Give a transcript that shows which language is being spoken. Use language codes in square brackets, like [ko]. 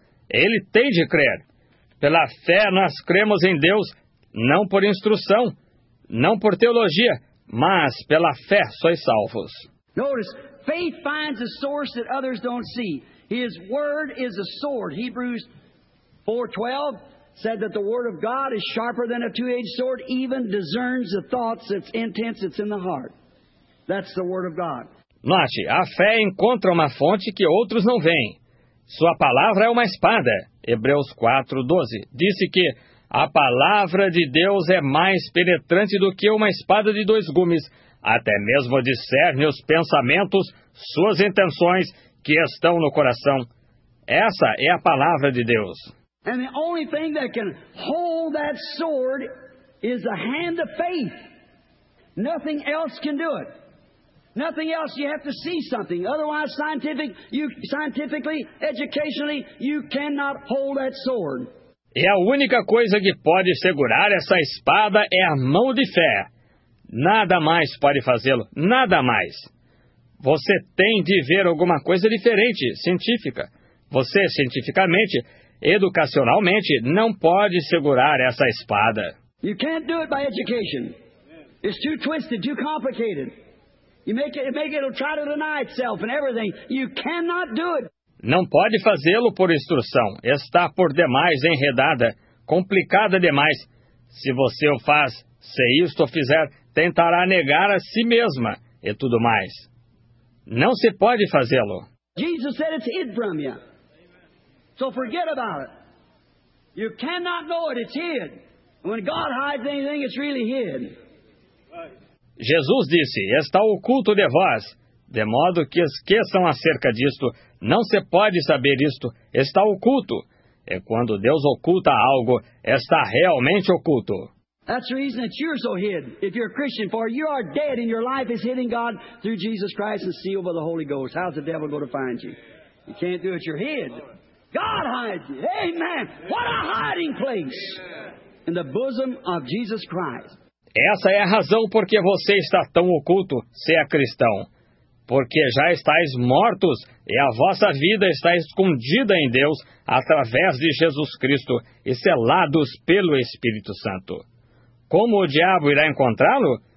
[pt] Ele tem de crer. Pela fé nós cremos em Deus, não por instrução, não por teologia, mas pela fé sois salvos. [en] Notice, faith finds a source that others don't see. His word is a sword. Hebrews 4:12 said that the word of God is sharper than a two-edged sword, even discerns the thoughts, its intents, it's in the heart. That's the word of God. [pt] Note, a fé encontra uma fonte que outros não veem. Sua palavra é uma espada. Hebreus 4:12 disse que a palavra de Deus é mais penetrante do que uma espada de dois gumes. Até mesmo discerne os pensamentos, suas intenções, que estão no coração. Essa é a palavra de Deus. [en] And the only thing that can hold that sword is the hand of faith. Nothing else can do it. Nothing else, you have to see something. Otherwise, scientifically, educationally, you cannot hold that sword. [pt] E a única coisa que pode segurar essa espada é a mão de fé. Nada mais pode fazê-lo, nada mais. Você tem de ver alguma coisa diferente, científica. Você, cientificamente, educacionalmente, não pode segurar essa espada. [en] You can't do it by education. It's too twisted, too complicated. You make it try to deny itself and everything. You cannot do it. [pt] Não pode fazê-lo por instrução. Está por demais enredada, complicada demais. Se você o faz, se isto fizer, tentará negar a si mesma e tudo mais. Não se pode fazê-lo. [en] Jesus said it's hid from you. So forget about it. You cannot know it, it's hid. When God hides anything, it's really hid. [pt] Jesus disse, está oculto de vós, de modo que esqueçam acerca disto. Não se pode saber isto, está oculto. É quando Deus oculta algo, está realmente oculto. [en] That's the reason that you're so hid, if you're a Christian, for you are dead and your life is hidden God through Jesus Christ and sealed by the Holy Ghost. How's the devil going to find you? You can't do it, you're hid. God hides you. Amen. What a hiding place in the bosom of Jesus Christ. [pt] Essa é a razão porque você está tão oculto, se é cristão. Porque já estáis mortos e a vossa vida está escondida em Deus através de Jesus Cristo e selados pelo Espírito Santo. Como o diabo irá encontrá-lo?